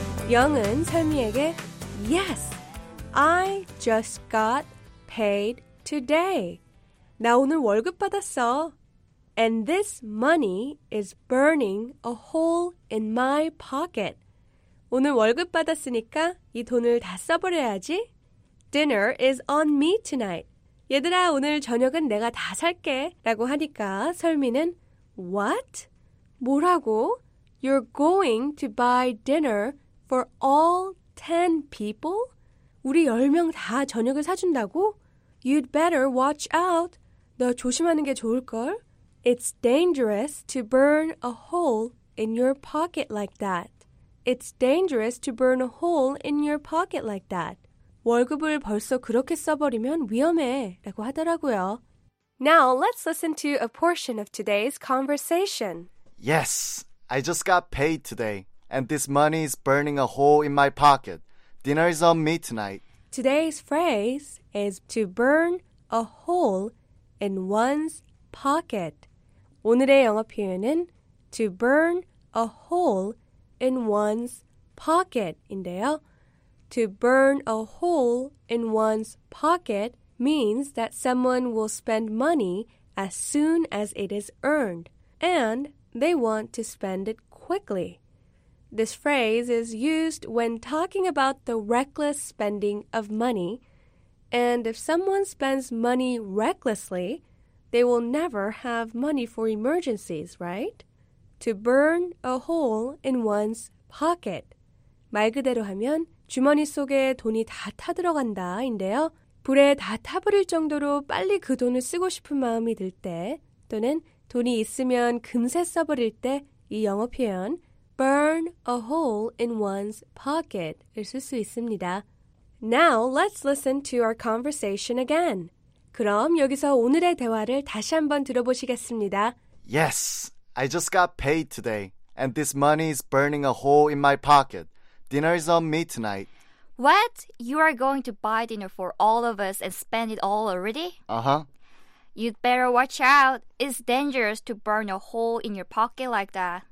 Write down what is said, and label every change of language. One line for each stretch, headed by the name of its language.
Korean: 영은 선미에게
English: Yes, I just got paid today.
Korean: 나 오늘 월급 받았어.
English: And this money is burning a hole in my pocket.
Korean: 오늘 월급 받았으니까 이 돈을 다 써버려야지.
English: Dinner is on me tonight.
Korean: 얘들아, 오늘 저녁은 내가 다 살게 라고 하니까 설미는
English: What?
Korean: 뭐라고?
English: You're going to buy dinner for all 10 people?
Korean: 우리 10명 다 저녁을 사준다고?
English: You'd better watch out.
Korean: 너 조심하는 게 좋을걸?
English: It's dangerous to burn a hole in your pocket like that. It's dangerous to burn a hole in your pocket like that.
Korean: 월급을 벌써 그렇게 써버리면 위험해 라고 하더라고요.
English: Now let's listen to a portion of today's conversation. Yes, I just got paid today, and this money is burning a hole in my pocket. Dinner is on me tonight. Today's phrase is to burn a hole in one's pocket.
Korean: 오늘의 영어 표현은
English: to burn a hole in one's pocket
Korean: 인데요.
English: To burn a hole in one's pocket means that someone will spend money as soon as it is earned, and they want to spend it quickly. This phrase is used when talking about the reckless spending of money, and if someone spends money recklessly, they will never have money for emergencies, right? To burn a hole in one's pocket.
Korean: 말 그대로 하면 주머니 속에 돈이 다 타들어간다인데요. 불에 다 타버릴 정도로 빨리 그 돈을 쓰고 싶은 마음이 들 때 또는 돈이 있으면 금세 써버릴 때 이 영어 표현
English: burn a hole in one's pocket
Korean: 을 쓸 수 있습니다.
English: Now let's listen to our conversation again.
Korean: 그럼 여기서 오늘의 대화를 다시 한번 들어보시겠습니다.
English: Yes, I just got paid today, and this money is burning a hole in my pocket. Dinner is on me tonight. What? You are going to buy dinner for all of us and spend it all already? Uh-huh. You'd better watch out. It's dangerous to burn a hole in your pocket like that.